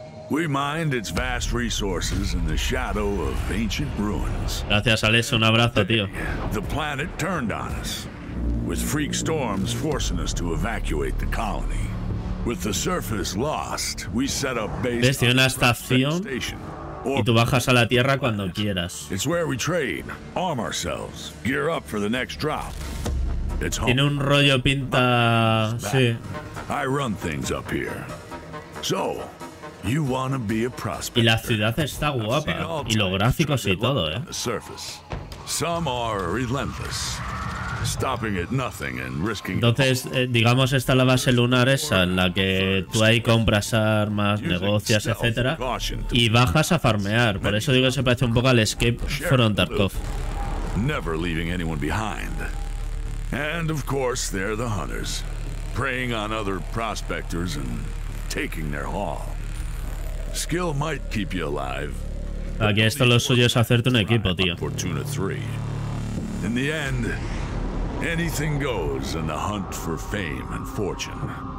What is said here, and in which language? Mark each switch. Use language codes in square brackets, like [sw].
[en] We mined its vast resources in the shadow of ancient ruins. [es] Gracias, Alex. Un abrazo, tío. [en] The planet turned on us, with freak storms forcing us to evacuate the colony. With the surface lost, we set up base on a station. [es] Y tú bajas a la Tierra cuando quieras. [en] It's where we train, arm ourselves, gear up for the next drop. It's home. [es] Tiene un rollo pinta, sí. [en] I run things up here. So. You wanna be a prospector. [es] Y la ciudad está guapa. Y los gráficos y todo, [en] Some are relentless, stopping at nothing and risking. [es] Entonces, digamos, está la base lunar esa en la que tú ahí compras armas, negocias, etc. Y bajas a farmear. Por eso digo que se parece un poco al Escape from Tarkov. [en] Never leaving anyone behind. And of course, they're the hunters, preying on other prospectors and taking their haul. Skill might keep you alive. [es] Aquí esto lo suyo es hacerte un equipo, tío. [en] Fortuna 3. In the end, anything goes in the hunt for fame and fortune.